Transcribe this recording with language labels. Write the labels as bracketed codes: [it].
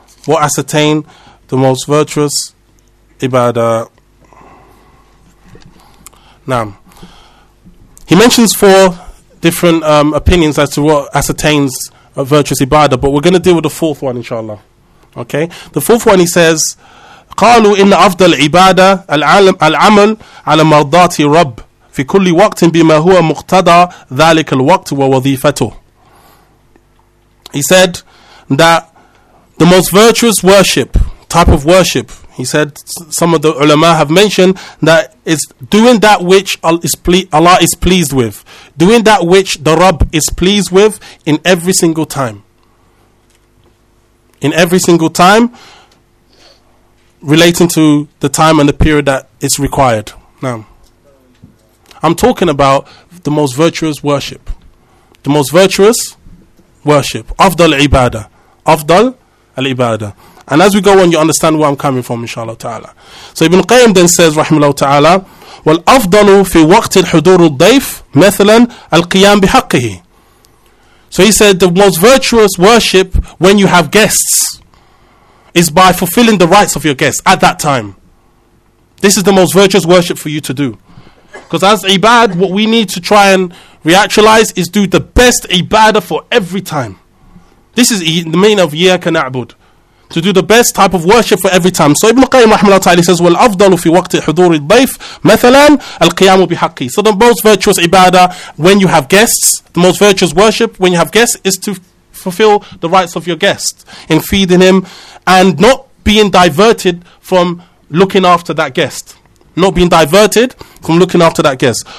[en] What ascertain the most virtuous ibadah? Naam. He mentions four different opinions as to what ascertains a virtuous ibadah, but we're going to deal with the fourth one, inshallah. Okay? The fourth one, he says, [ar] قالوا إن أفضل عبادة العمل على مرضات رب في كل وقت بما هو مقتضى ذلك الوقت ووظيفته. [en] He said that the most virtuous worship, type of worship, he said, some of the ulama have mentioned that it's doing that which Allah is pleased with. Doing that which the Rabb is pleased with in every single time. In every single time, relating to the time and the period that it's required. Now, I'm talking about the most virtuous worship. The most virtuous worship. Afdal ibadah. Afdal al-ibadah. And as we go on, you understand where I'm coming from, inshallah ta'ala. So Ibn Qayyim then says, rahimahullah ta'ala, [ar] وَالْأَفْضَلُ فِي وَقْتِ الْحُدُورُ الضَّيْفِ مَثَلًا الْقِيَامِ بِحَقِّهِ. [en] So he said, the most virtuous worship when you have guests is by fulfilling the rights of your guests at that time. This is the most virtuous worship for you to do. Because as ibad, what we need to try and reactualize is do the best ibadah for every time. This is the meaning of [ar] إِيَّاكَ نَعْبُدُ. [en] To do the best type of worship for every time. So Ibn Qayyim rahimahullah ta'ala says, [ar] وَالْأَفْضَلُ فِي وَقْتِ حُضُورِ الضَّيْفِ مَثَلًا الْقِيَامُ بِحَقِّي. [en] So the most virtuous ibadah when you have guests, the most virtuous worship when you have guests is to fulfill the rights of your guest in feeding him and not being diverted from looking after that guest. Not being diverted from looking after that guest.